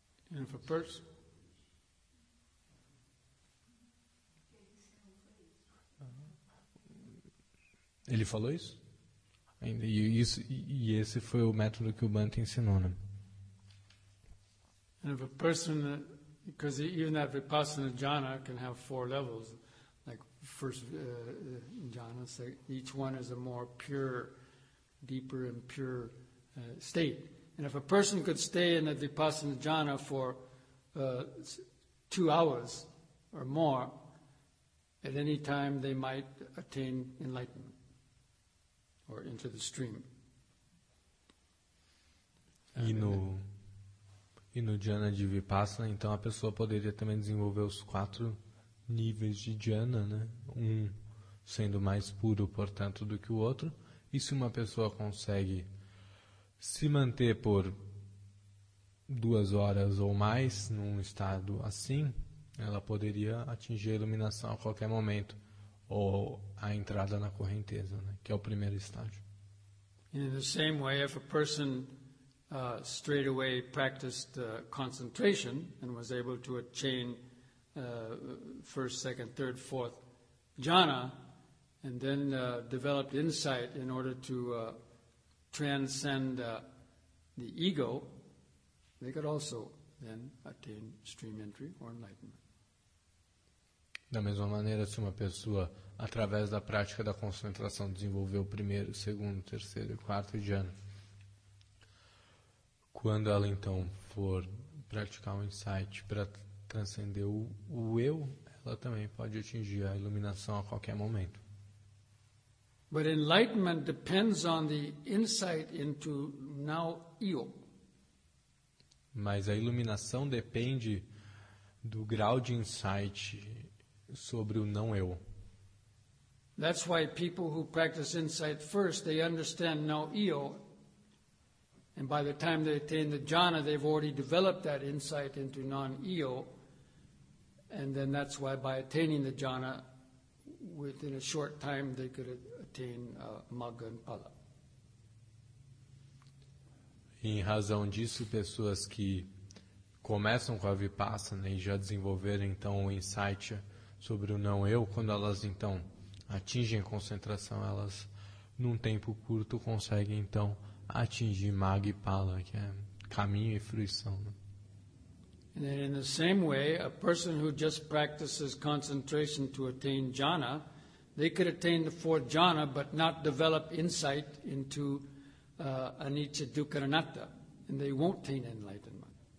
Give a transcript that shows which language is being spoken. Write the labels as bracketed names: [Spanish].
[English] And if a person... [Portuguese] Ele falou isso? E esse foi o método que o Bhante ensinou, né? [English] And if a person, because even that Vipassana jhana can have four levels, like first jhana, so each one is a more pure, deeper and pure state. And if a person could stay in the Vipassana jhana for 2 hours or more, at any time they might attain enlightenment or into the stream. [Portuguese] E no jhana de Vipassana, então a pessoa poderia também desenvolver os quatro níveis de jhana, né? Um sendo mais puro, portanto, do que o outro. E se uma pessoa consegue se manter por 2 horas ou mais num estado assim, ela poderia atingir a iluminação a qualquer momento, ou a entrada na correnteza, né? Que é o primeiro estágio. [English] In the same way, if a person straight away practiced concentration and was able to attain first, second, third, fourth jhana, and then developed insight in order to transcend the ego, they could also then attain stream entry or enlightenment. [Portuguese] Da mesma maneira, se uma pessoa, através da prática da concentração, desenvolveu o primeiro, segundo, terceiro e quarto jhana, quando ela então for praticar um insight para transcender o eu, ela também pode atingir a iluminação a qualquer momento. [English] But enlightenment depends on the insight into now ego. [Portuguese] Mas a iluminação depende do grau de insight sobre o não eu. [English] That's why people who practice insight first, they understand now ego. And by the time they attain the jhana, they've already developed that insight into non-ego. And then that's why by attaining the jhana, within a short time, they could attain magga and pala. [Portuguese] Em razão disso, pessoas que começam com a vipassana e já desenvolveram então o insight sobre o não-eu, quando elas então atingem a concentração, elas num tempo curto conseguem então atingir magga e pala, que é caminho e fruição. [English] And then in the same way, a person who just practices concentration to attain jhana, they could attain the fourth jhana but not develop insight into anicca dukkha anatta, and they won't attain enlightenment.